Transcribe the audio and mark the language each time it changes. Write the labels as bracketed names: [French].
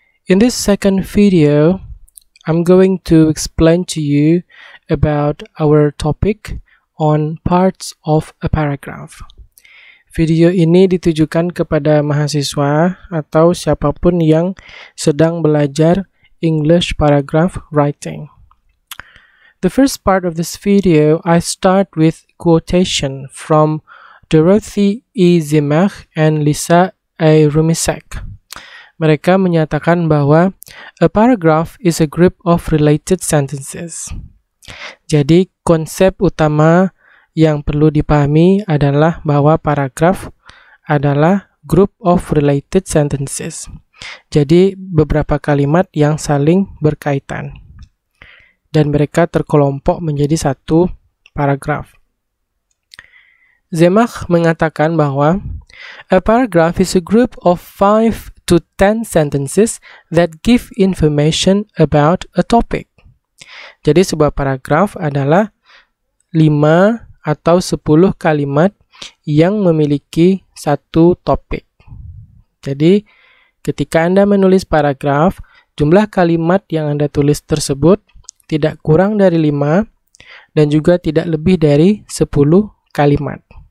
[English] In this second video, I'm going to explain to you about our topic on parts of a paragraph. [Indonesian] Video ini ditujukan kepada mahasiswa atau siapapun yang sedang belajar [English] English paragraph writing. The first part of this video, I start with quotation from Dorothy E. Zimach and Lisa A. Rumisek. [Indonesian] Mereka menyatakan bahwa [English] a paragraph is a group of related sentences. [Indonesian] Jadi, konsep utama yang perlu dipahami adalah bahwa paragraph adalah [English] group of related sentences. [Indonesian] Jadi, beberapa kalimat yang saling berkaitan. Dan mereka terkelompok menjadi satu paragraph. [English] Zimach [Indonesian] mengatakan bahwa [English] a paragraph is a group of 5 to 10 sentences that give information about a topic. [Indonesian] Jadi sebuah paragraf adalah 5 atau 10 kalimat yang memiliki satu topik. Jadi ketika Anda menulis paragraf, jumlah kalimat yang Anda tulis tersebut tidak kurang dari 5 dan juga tidak lebih dari 10 kalimat.